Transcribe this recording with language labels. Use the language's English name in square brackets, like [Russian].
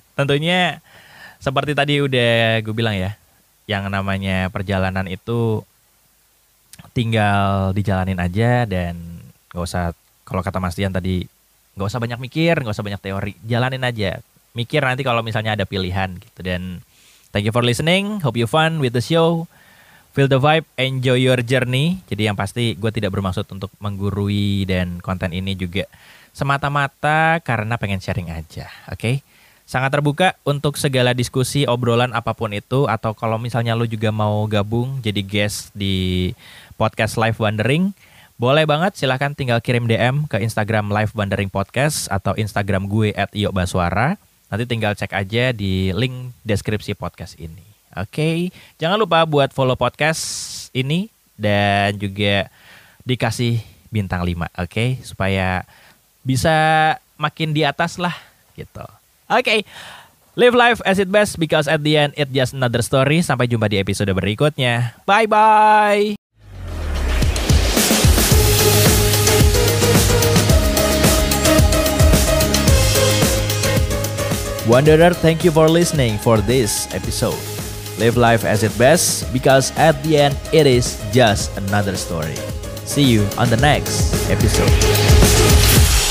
[Indonesian] Tentunya seperti tadi udah gue bilang ya, yang namanya perjalanan itu tinggal dijalanin aja, dan gak usah, kalau kata Mas Dian tadi, gak usah banyak mikir, gak usah banyak teori, jalanin aja. Mikir nanti kalau misalnya ada pilihan gitu. [English] Dan thank you for listening, hope you fun with the show, feel the vibe, enjoy your journey. [Indonesian] Jadi yang pasti gue tidak bermaksud untuk menggurui, dan konten ini juga semata-mata karena pengen sharing aja, oke? Okay? Sangat terbuka untuk segala diskusi, obrolan apapun itu, atau kalau misalnya lu juga mau gabung jadi guest di podcast Live Wondering, boleh banget, silahkan tinggal kirim DM ke Instagram Live Wondering Podcast atau Instagram gue @iyobaswara. Nanti tinggal cek aja di link deskripsi podcast ini. Oke, okay. Jangan lupa buat follow podcast ini dan juga dikasih bintang 5, oke? Okay? Supaya bisa makin di atas lah gitu. Oke, okay. [English] Live life as it best, because at the end it's just another story. [Indonesian] Sampai jumpa di episode berikutnya. Bye-bye. [English] Wanderer, thank you for listening for this episode. Live life as it best, because at the end it is just another story. See you on the next episode.